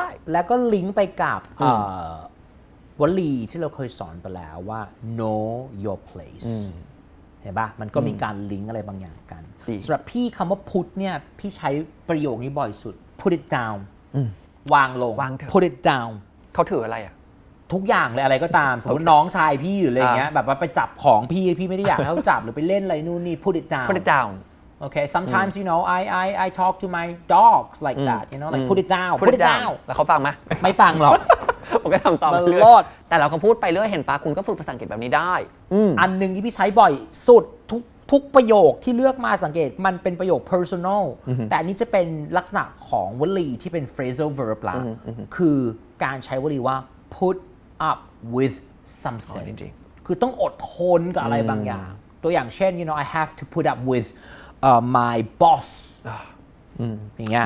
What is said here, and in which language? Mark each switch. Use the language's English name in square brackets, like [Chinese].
[Thai] แล้วก็ลิงก์ไปกับวลีที่เราเคยสอนไปแล้วว่า know your placeเห็นป่ะมันก็มีการลิงก์อะไรบางอย่างกันสำหรับพี่คำว่า put เนี่ยพี่ใช้ประโยคนี้บ่อยสุด [English] put it down [Thai] วางลง วาง [English] put it down [Thai] เขาถืออะไรอ่ะ ทุกอย่างเลยอะไรก็ตามสมมติน้องชายพี่อยู่อะไรเงี้ยแบบไปจับของพี่พี่ไม่ได้อยากให้เขาจับหรือไปเล่นอะไรนู่นนี่ [English] put it down put it down okay sometimes you know I talk to my dogs like that you know like put it down put it down [Thai] แล้วเขาฟังไหม ไม่ฟังหรอก ผมก็ทำตาม เ รื่อ ยแต่เราก็พูดไปเรื่อยเห็นปะคุณก็ฝึกภาษาอังกฤษแบบนี้ได้อันหนึ่งที่พี่ใช้บ่อยสุดทุกประโยคที่เลือกมาสังเกตมันเป็นประโยค personal แต่นี้จะเป็นลักษณะของวลีที่เป็น phrasal verb ละคือการใช้วลีว่า put up with something คือต้องอดทนกับอะไรบางอย่างตัวอย่างเช่น [English] you know I have to put up with my boss [Thai] อย่างเงี้ย